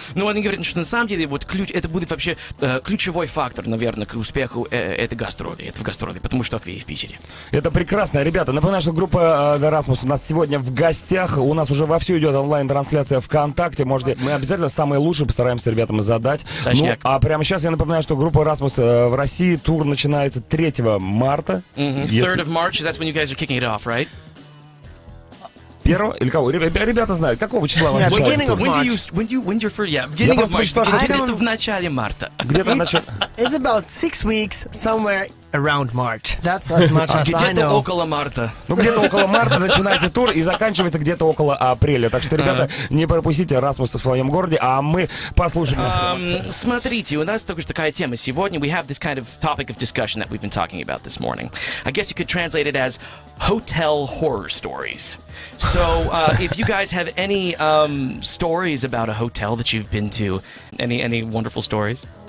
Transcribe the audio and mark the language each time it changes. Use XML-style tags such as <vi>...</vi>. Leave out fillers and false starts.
<ru>Ну, они говорят, что на самом деле вот ключ, это будет вообще ключевой фактор, наверное, к успеху этой гастроли, этого гастроли, потому что в Питере. Это прекрасно. Ребята, напоминаю, что группа The Rasmus у нас сегодня в гостях. У нас уже вовсю идет онлайн-трансляция ВКонтакте. Можете... Мы обязательно самые лучшие постараемся ребятам задать. Точняк. Ну, а прямо сейчас я напоминаю, что группа «Расмус» в России, тур начинается 3 марта. Mm-hmm.</ru> <en>3 of March, that's when you guys are kicking it off, right?</en> <ru>Первого? Или кого? Ребята знают, какого числа вы начали?</ru> <en>Beginning of March. Beginning of March.</en> <ru>Где-то в начале марта. Где-то в начале...</ru> <en>It's about 6 weeks somewhere around March. That's as much as I know.</en> <ru>Где-то около марта. Ну, где-то около марта начинается тур и заканчивается где-то около апреля. Так что, ребята, не пропустите «Расмус» в своем городе, а мы послушаем. Смотрите, у нас только такая тема. Сегодня</ru> <en>we have this kind of topic of discussion that we've been talking about this morning. I guess you could translate it as hotel horror stories. So, if you guys have any stories about a hotel that you've been to, any wonderful stories?</en>